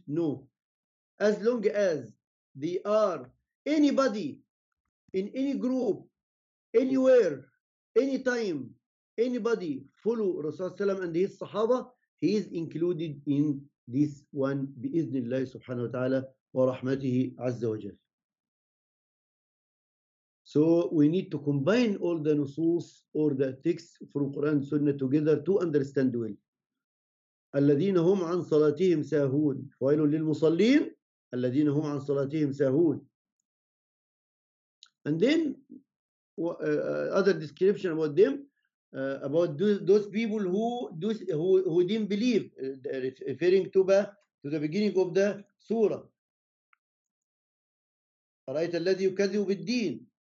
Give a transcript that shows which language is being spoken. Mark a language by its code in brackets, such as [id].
[en] No, as long as they are anybody in any group, anywhere, anytime, anybody follow Rasulullah and his Sahaba, he is included in this one [ar] بِإِذْنِ اللَّهِ سُبْحَانَهُ وَتَعَالَى وَرَحْمَتِهِ عَزَّ وَجَلَّ. [en] So we need to combine all the nusus or the texts from Quran and Sunnah together to understand well. [ar] الذين هم عن صلاتهم ساهون ويل للمصلين الذين هم عن صلاتهم ساهون. [en] And then other description about them, about those people who didn't believe, referring to the beginning of the surah. [ar] رأيت الذي يكذب بالدين.